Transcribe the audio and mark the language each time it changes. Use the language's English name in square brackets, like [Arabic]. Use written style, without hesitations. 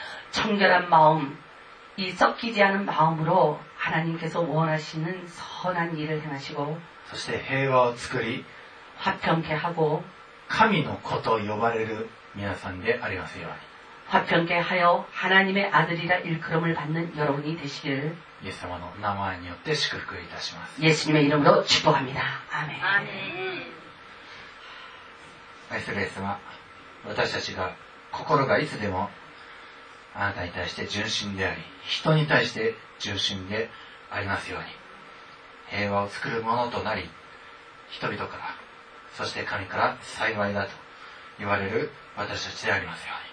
[Korean] 청결한마음이섞이지않은마음으로하나님께서원하시는선한일을행하시고 [Japanese] そして平和を作り [Korean] 화평케하고 [Japanese] 神の子と呼ばれる皆さんでありますように [Korean] 화평케하여하나님의아들이라일컬음을받는여러분이되시길 [Japanese] 예수様の名前によって祝福いたします。 [Korean] 예수님의이름으로축복합니다아멘아 멘말씀하셨습니다 [Japanese] 私たちが心がいつでもあなたに対して純真であり人に対して純真でありますように平和を作るものとなり人々からそして神から幸いだと言われる私たちでありますよ